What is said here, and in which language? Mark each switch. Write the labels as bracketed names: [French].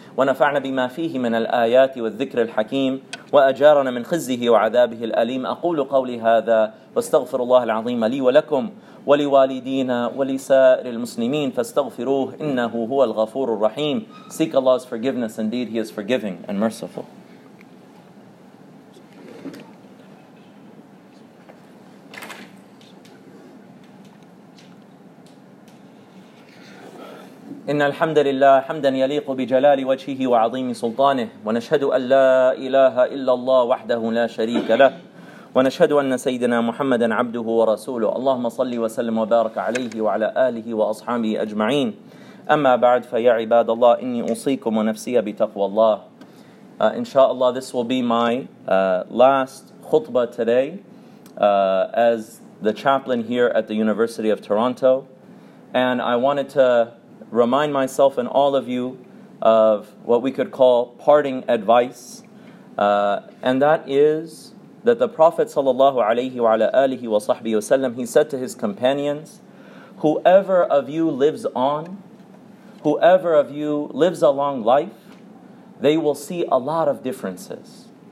[Arabic] ونفعنا بما فيه من الآيات والذكر الحكيم وأجارنا من خزيه وعذابه الأليم أقول قولي هذا واستغفر الله العظيم لي ولكم ولوالدينا ولسائر المسلمين فاستغفروه إنه هو الغفور الرحيم. [English] Seek Allah's forgiveness, indeed He is forgiving and merciful. [Arabic] إن الحمد لله حمدا يليق بجلال وجهه وعظيم سلطانه ونشهد أن لا إله إلا الله وحده لا شريك له ونشهد أن سيدنا محمدا عبده ورسوله اللهم صل وسلم وبارك عليه وعلى آله وأصحابه أجمعين أما بعد فيا عباد الله إني أوصيكم ونفسي بتقوى الله. إن شاء الله [English] this will be my last khutbah today as the chaplain here at the University of Toronto, and I wanted to remind myself and all of you of what we could call parting advice, and that is that the Prophet sallallahu alayhi wa alihi wa sahbihi wa sallam, he said to his companions, whoever of you lives on, whoever of you lives a long life, they will see a lot of differences.